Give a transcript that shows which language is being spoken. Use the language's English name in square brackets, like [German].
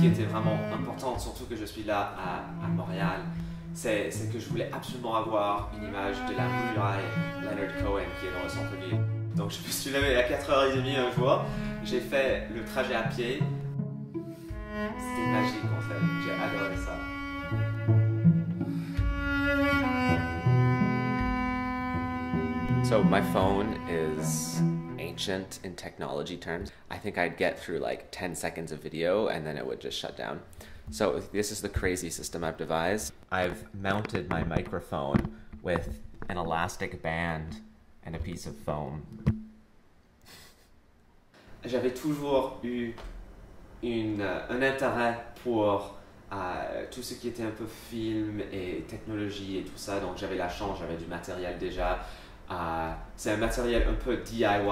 [French] Vraiment importante, surtout que je suis là à Montréal, c'est que je voulais absolument avoir une image de la muraille Leonard Cohen qui est dans le centre-ville. Donc je me suis levé à 4h30 un jour, j'ai fait le trajet à pied. C'était magique en fait, j'ai adoré ça. [English] So my phone is ancient in technology terms. I think I'd get through like 10 seconds of video and then it would just shut down. So this is the crazy system I've devised. I've mounted my microphone with an elastic band and a piece of foam. [French] J'avais toujours eu un intérêt pour tout ce qui était un peu film et technologie et tout ça, donc j'avais la chance, j'avais du matériel déjà. C'est un matériel un peu DIY.